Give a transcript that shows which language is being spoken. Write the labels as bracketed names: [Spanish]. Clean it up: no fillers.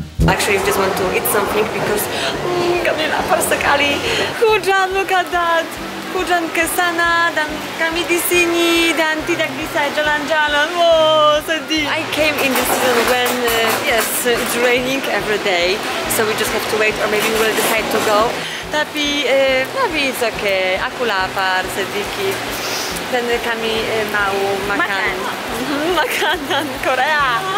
[English] Actually, you just want to eat something because [Indonesian] kami lapar sekali. Hujan, [English] look at that. [Indonesian] Hujan ke sana dan kami di sini dan tidak bisa jalan-jalan. Oh, sedih. [English] I came in this season when it's raining every day, so we just have to wait, or maybe we'll decide to go. [Indonesian] Tapi tapi [English] it's okay. [Indonesian] Aku lapar, sedih. Dan kami mau makan makanan Korea.